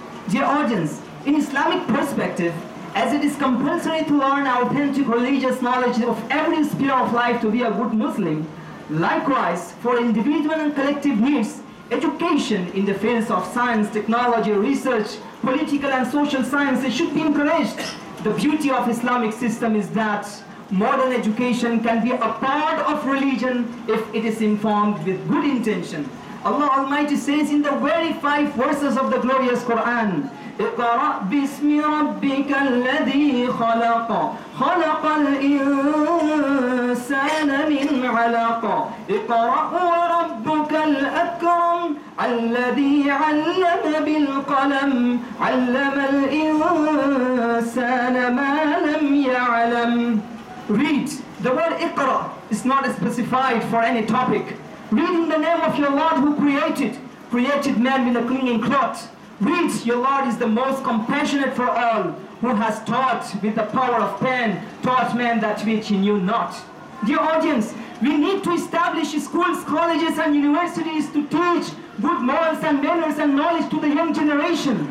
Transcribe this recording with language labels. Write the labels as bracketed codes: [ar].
[en] Dear audience, in Islamic perspective, as it is compulsory to learn authentic religious knowledge of every sphere of life to be a good Muslim, likewise, for individual and collective needs, education in the fields of science, technology, research, political and social sciences should be encouraged. The beauty of Islamic system is that modern education can be a part of religion if it is informed with good intention. Allah Almighty says in the very five verses of the glorious Quran, [ar] اقرأ باسم ربك الذي خلق خلق الإنسان من علق اقرأ وربك الأكرم الذي علم بالقلم علم الإنسان ما لم يعلم. [en] Read. The word اقرأ is not specified for any topic. Read in the name of your Lord who created man with a clinging cloth. Read, your Lord is the most compassionate for all, who has taught with the power of pen, taught man that which he knew not. Dear audience, we need to establish schools, colleges and universities to teach good morals and manners and knowledge to the young generation.